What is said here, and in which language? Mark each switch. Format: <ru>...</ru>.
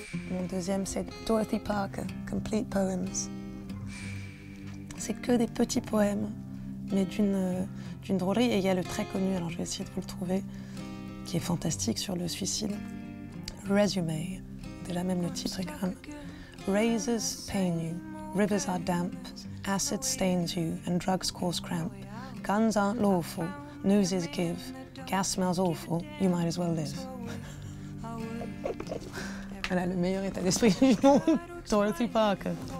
<fr>Mon deuxième, c'est Dorothy Parker, Complete Poems. C'est que des petits poèmes, mais d'une drôlerie. Et il y a le très connu, alors je vais essayer de vous le trouver, qui est fantastique sur le suicide. Resume. Déjà même le titre est quand même.</fr> <en>Razors pain you, rivers are damp, acid stains you, and drugs cause cramp. Guns aren't lawful, news is give, gas smells awful, you might as well live.</en> <fr>Voilà, le meilleur état d'esprit du monde, Dorothy Parker.</fr>